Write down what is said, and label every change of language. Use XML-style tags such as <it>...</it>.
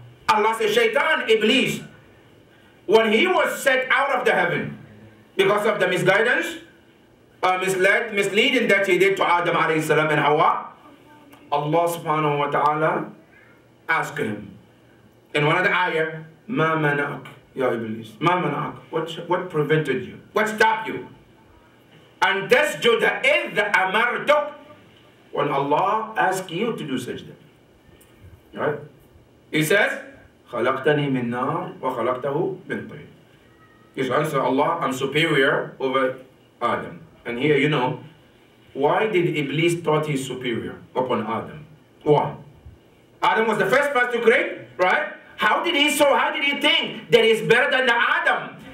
<en>Allah said, Shaitan, Iblis, when he was set out of the heaven because of the misguidance, misleading that he did to Adam alayhi salam and Hawa, Allah subhanahu wa ta'ala asked him in one of the ayah,</en> <ar>مَا مَنَعَكْ يَا إِبْلِيس, مَا مَنَعَكْ,</ar> <en>what prevented you, what stopped you? And this judah is the amartuk, when Allah asked you to do sajda, right? He says,</en> <ar>خَلَقْتَنِي مِن نَار وَخَلَقْتَهُ مِن طِين.</ar> <en>His answer, Allah, I'm superior over Adam. And here, you know, why did Iblis thought he's superior upon Adam? Why? Adam was the first person to create, right? How did he think that he's better than Adam?</en>